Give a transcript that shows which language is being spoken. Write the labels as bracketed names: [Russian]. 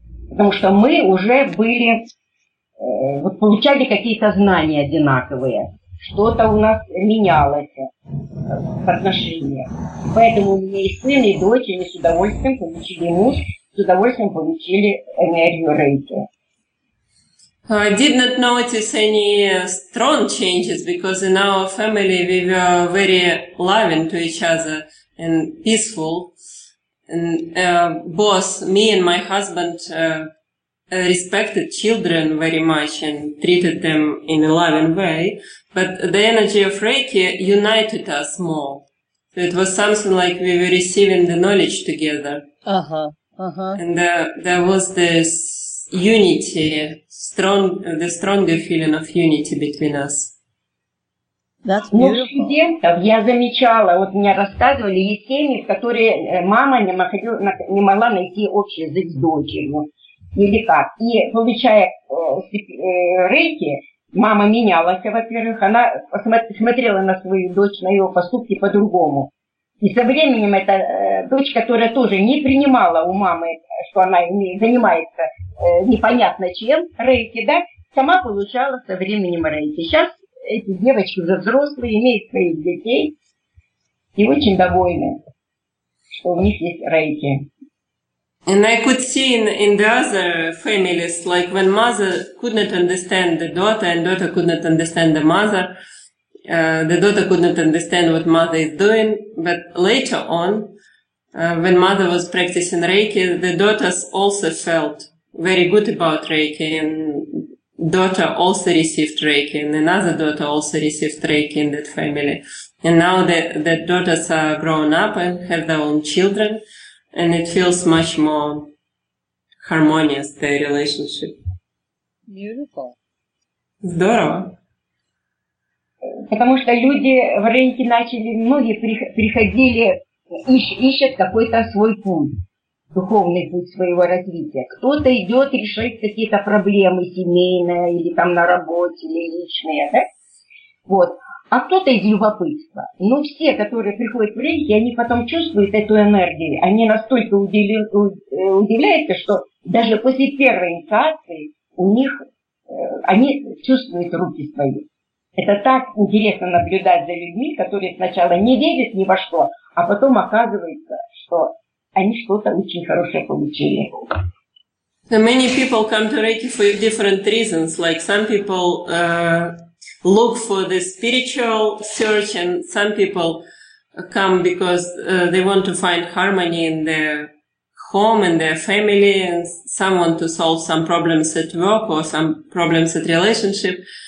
[Russian] Потому что мы уже были, вот получали какие-то знания одинаковые. Что-то у нас менялось в отношениях. Поэтому у меня и сын, и дочь, они с удовольствием получили муж, с удовольствием получили энергию Рейки. [English] I did not notice any strong changes because in our family we were very loving to each other and peaceful. And both me and my husband respected children very much and treated them in a loving way. But the energy of Reiki united us more. So it was something like we were receiving the knowledge together. And there was this unity, the stronger feeling of unity between us. That's beautiful. [Russian] Ну, студентов я замечала, вот мне рассказывали, есть семьи, в которые мама не могла найти общий язык с дочерью. Или как. И получая рейки, мама менялась, во-первых, она смотрела на свою дочь, на ее поступки по-другому. И со временем эта дочь, которая тоже не принимала у мамы, что она занимается непонятно чем, рейки, да, сама получала со временем рейки. Сейчас эти девочки уже взрослые, имеют своих детей и очень довольны, что у них есть рейки. [English] And I could see in the other families, like when mother could not understand the daughter and daughter could not understand the mother, the daughter could not understand what mother is doing, but later on, when mother was practicing Reiki, the daughters also felt very good about Reiki, and daughter also received Reiki, and another daughter also received Reiki in that family. And now that daughters are grown up and have their own children, and it feels much more harmonious, the relationship. Beautiful. [Russian] Здорово. Потому что люди в рынке начали, многие приходили, ищут какой-то свой путь, духовный путь своего развития. Кто-то идет решать какие-то проблемы семейные, или там на работе, или личные, да? Вот. А кто-то из любопытства. Но все, которые приходят в рынке, они потом чувствуют эту энергию. Они настолько удивляются, что даже после первой инициации у них они чувствуют руки свои. Это так интересно наблюдать за людьми, которые сначала не верят ни во что, а потом оказывается, что они что-то очень хорошее получили. [English] Many people come to Reiki for different reasons. Like some people look for the spiritual search, and some people come because they want to find harmony in their home and their family, and some want to solve some problems at work or some problems at relationship.